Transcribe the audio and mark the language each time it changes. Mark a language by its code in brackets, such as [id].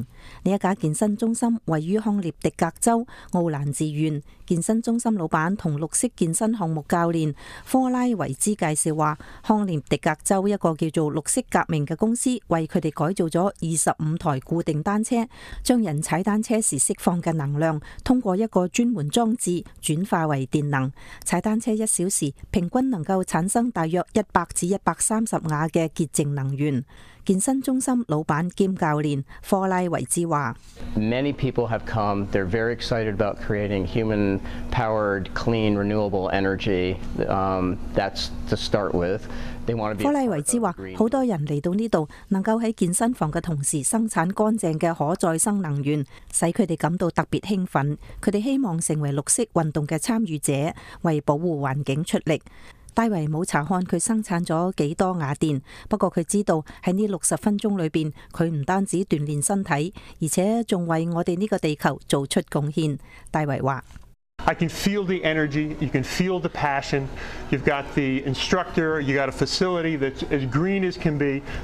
[zh] 呢一家健身中心位于康涅狄格州奥兰治县，健身中心老板同绿色健身项目教练科拉维兹介绍话，康涅狄格州一个叫做绿色革命嘅公司为佢哋改造咗25台固定单车，将人踩单车时释放嘅能量通过一个专门装置转化为电能。踩单车一小时平均能够产生大约100至130瓦嘅洁净能源。健身中心老板兼教练科拉维兹话 [en] ：Many people have come. They're very excited about creating human-powered, clean, renewable energy. That's to start with. [zh] 科拉维兹话：好多人嚟到呢度，能够喺健身房嘅同时生产干净嘅可再生能源，使佢哋感到特别兴奋。佢哋希望成为绿色运动嘅参与者，为保护环境出力。戴维冇查看佢生产咗几多瓦电，不过佢知道喺呢60分钟里边，佢唔单止锻炼身体，而且仲为我哋呢个地球做出贡献。戴维话 [en] ：I can feel the energy, you can feel the passion. You've got the instructor, you got a facility that's as green as can be.